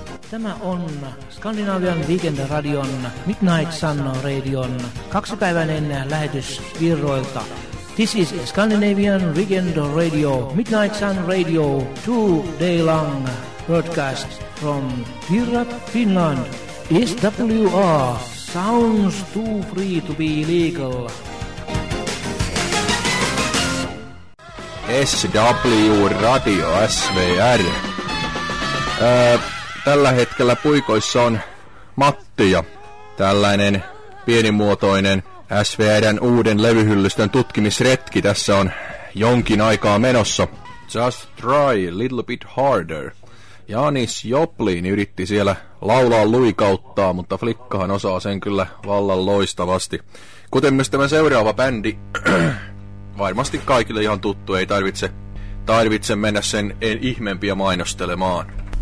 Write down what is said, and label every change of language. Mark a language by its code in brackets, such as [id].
[fi] Tämä on Scandinavian Weekend Radion Midnight Sun Radion kaksipäiväinen lähetys Virroilta. [en] This is Scandinavian Weekend Radio Midnight Sun Radio 2-day long broadcast. From Virra, Finland, SWR, sounds too free to be legal. SW Radio, SVR. [fi] Tällä hetkellä puikoissa on Matti ja tällainen pienimuotoinen SVR:n uuden levyhyllystön tutkimisretki. Tässä on jonkin aikaa menossa. [en] Just try a little bit harder. [fi] Janis Joplin yritti siellä laulaa luikauttaa, mutta flikkahan osaa sen kyllä vallan loistavasti. Kuten myös tämä seuraava bändi, varmasti kaikille ihan tuttu, ei tarvitse mennä sen ihmeempiä mainostelemaan.